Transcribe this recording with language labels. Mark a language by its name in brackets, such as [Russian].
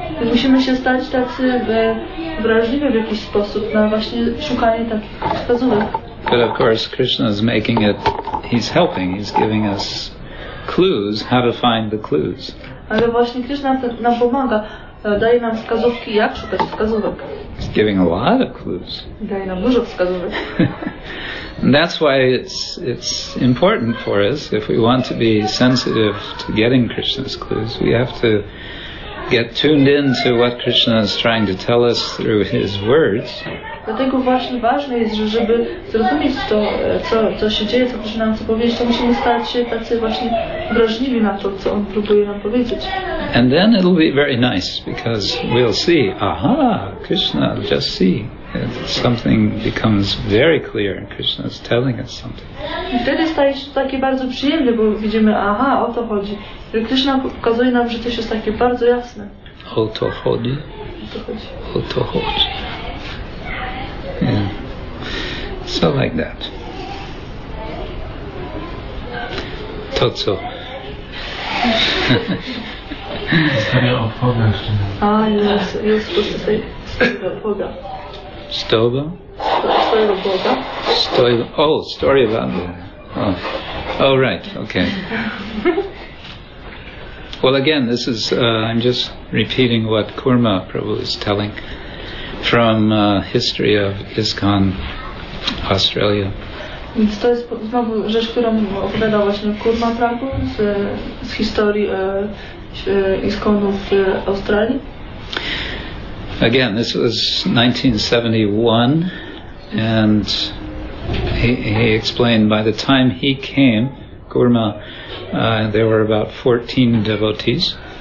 [Polish] Musimy się stać tacy wrażliwi w jakiś sposób na właśnie szukanie takich wskazówek. [English] But of course Krishna is making it, he's helping, he's giving us clues, how to find the clues. [Polish] Ale właśnie Krishna nam pomaga, daje nam wskazówki, jak szukać wskazówek. [English] He's giving a lot of clues. [Polish] Daje nam dużo wskazówek. [English] And that's why it's important for us, if we want to be sensitive to getting Krishna's clues, we have to get tuned in to what Krishna is trying to tell us through his words. [Polish] Dlatego właśnie ważne jest, żeby zrozumieć to, co się dzieje, co Krishna nam chce powiedzieć, to musimy stać się tacy właśnie wrażliwi na to, co on próbuje nam powiedzieć. [English] And then it'll be very nice, because we'll see, aha, Krishna, just see. Something becomes very clear and Krishna is telling us something. [Polish] Wtedy staje się takie bardzo przyjemne, bo widzimy, aha, o to chodzi. Krishna pokazuje nam, że to jest takie bardzo jasne. O to chodzi? O to chodzi. [English] Yeah. So like that. [Polish] To co? Stawia opoga jeszcze. A, jest supposed to say opoga. Stoba? [English] Story of Boga. Oh, story about that. Oh, right, okay. Well, again, this is, I'm just repeating what Kurma Prabhu is telling from history of ISKCON, Australia. [Polish] Więc to jest znowu rzecz, którą opowiadał właśnie Kurma Prabhu z historii ISKCON-ów w Australii. [English] Again, this was 1971, and he explained by the time he came, Kurma, there were about 14 devotees.